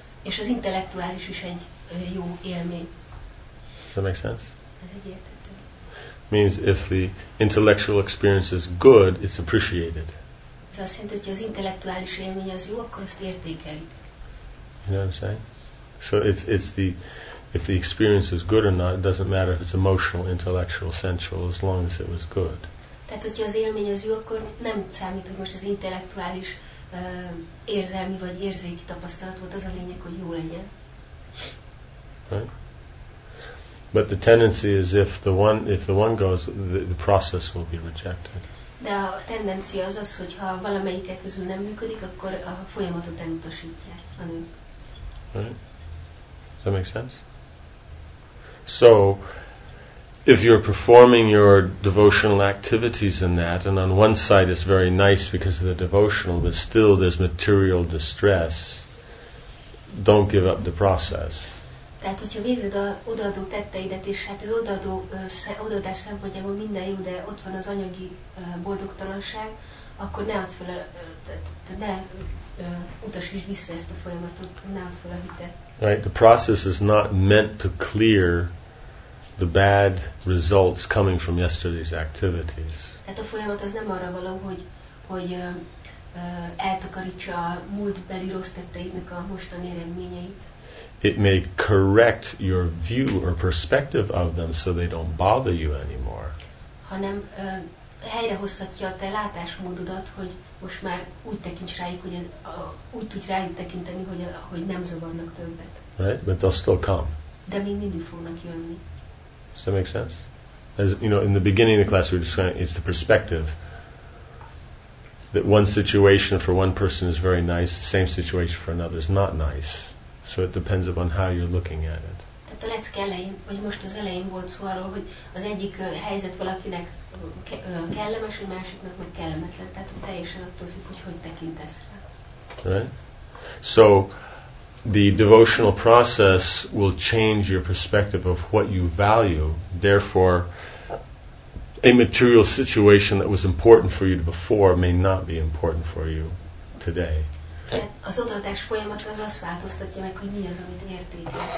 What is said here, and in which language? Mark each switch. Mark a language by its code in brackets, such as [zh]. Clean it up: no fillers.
[hu] És az intellektuális is egy jó élmény. [en] Does that make sense? [hu] Ez így értető. [en] Means if the intellectual experience is good, it's appreciated. [hu] Ez azt jelenti, hogy az intellektuális élmény az jó, akkor azt értékelik. [en] You know what I'm saying? So it's the if the experience is good or not, it doesn't matter if it's emotional, intellectual, sensual, as long as it was good. [hu] Tehát hogyha az élmény az jó, akkor nem számít, hogy most az intellektuális érzelmi vagy érzéki tapasztalat volt, az a lényeg, hogy jó legyen. [en] Right? But the tendency is if the one goes, the process will be rejected. [hu] De a tendencia az az, hogy ha valamelyik közül nem működik, akkor a folyamatot elutasítják a nők. [en] Right? Does that make sense? So, if you're performing your devotional activities in that, and on one side it's very nice because of the devotional, but still there's material distress, don't give up the process. [hu] Tehát, hogyha végzed a odaadó tetteidet, és hát az odaadó, odaadás szempontjából minden jó, de ott van az anyagi boldogtalanság, akkor ne add fel a, utasítsd vissza ezt a folyamatot, ne add fel a hitet. [en] Right, the process is not meant to clear the bad results coming from yesterday's activities. [hu] Hát a folyamat az nem arra való, hogy eltakarítsa a múltbeli rossz tetteidnek a mostani eredményeit. [en] It may correct your view or perspective of them so they don't bother you anymore. [hu] Hanem helyrehozhatja a te látásmódodat, hogy most már úgy tekints rájuk, hogy úgy tudj rájuk tekinteni, hogy nem zavarnak többet. [en] Right, but they'll still come. [hu] De még mindig fognak jönni. [en] Does that make sense? As you know, in the beginning of the class, we were describing it's the perspective that one situation for one person is very nice, the same situation for another is not nice. So it depends upon how you're looking at it. [hu] Tehát a lecke elején, vagy most az elején volt szó arról, hogy az egyik helyzet valakinek kellemes, a másiknak meg kellemetlen. Tehát teljesen attól függ, hogy tekintesz rá. [en] Right? So the devotional process will change your perspective of what you value. Therefore, a material situation that was important for you before may not be important for you today. [hu] Az odaadás folyamat az azt változtatja meg, hogy mi az, amit értékelsz.